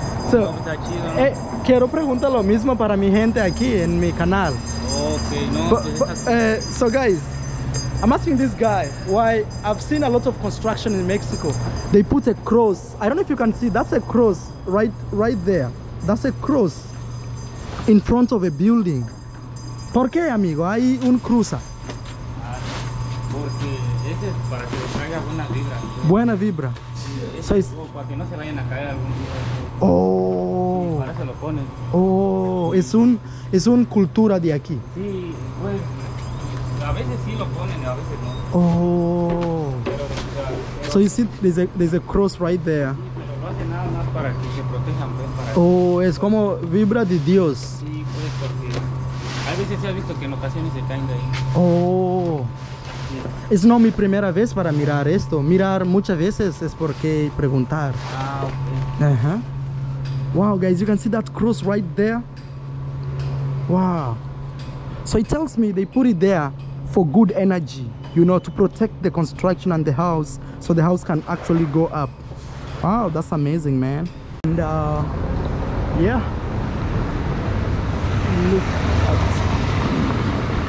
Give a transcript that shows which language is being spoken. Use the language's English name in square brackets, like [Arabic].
[Spanish] So, quiero preguntar lo mismo para mi gente aquí en mi canal. [English] Okay, no. So, guys. I'm asking this guy why I've seen a lot of construction in Mexico. They put a cross. I don't know if you can see, that's a cross right there. That's a cross in front of a building. [Spanish] ¿Por qué, amigo? Hay un cruza. Ah, porque ese es para que traiga buena vibra. ¿No? Buena vibra. Sí, so es para que no se vayan a caer algún día. Oh. Sí, para se lo ponen. Oh, sí. es un cultura de aquí. Sí, pues. A veces sí lo ponen, a veces no. Oh. Pero, [English] so you see there's a cross right there. [Spanish] Sí, pero no hace nada más para que se protejan, pues, oh, es como vibra de Dios. Sí, pues, porque a veces se ha visto que en ocasiones se caen de ahí. Oh. Sí. Es no mi primera vez para mirar esto. Mirar muchas veces es porque preguntar. Ah, ok. Uh-huh. [English] Wow, guys, you can see that cross right there. Wow. So it tells me they put it there for good energy, you know, to protect the construction and the house, so the house can actually go up. Wow, that's amazing, man. And yeah, look at it.